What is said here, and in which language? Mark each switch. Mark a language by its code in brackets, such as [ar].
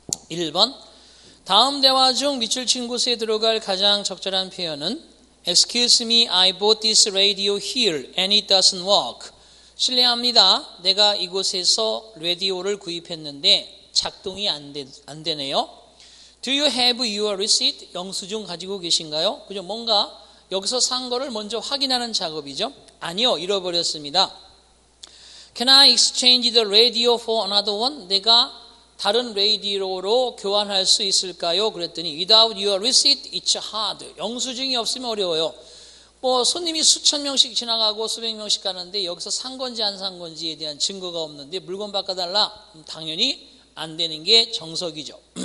[ko] 1번 다음 대화 중 밑줄 친 곳에 들어갈 가장 적절한 표현은 [en] Excuse me, I bought this radio here and it doesn't work. [ko] 실례합니다. 내가 이곳에서 라디오를 구입했는데 작동이 안 되네요. [en] Do you have your receipt? [ko] 영수증 가지고 계신가요? 그죠? 뭔가 여기서 산 거를 먼저 확인하는 작업이죠. 아니요. 잃어버렸습니다. [en] Can I exchange the radio for another one? [ko] 내가 다른 라디오로 교환할 수 있을까요? 그랬더니 [en] Without your receipt, it's hard. [ko] 영수증이 없으면 어려워요. 뭐 손님이 수천 명씩 지나가고 수백 명씩 가는데 여기서 산 건지 안 산 건지에 대한 증거가 없는데 물건 바꿔달라? 당연히 안 되는 게 정석이죠.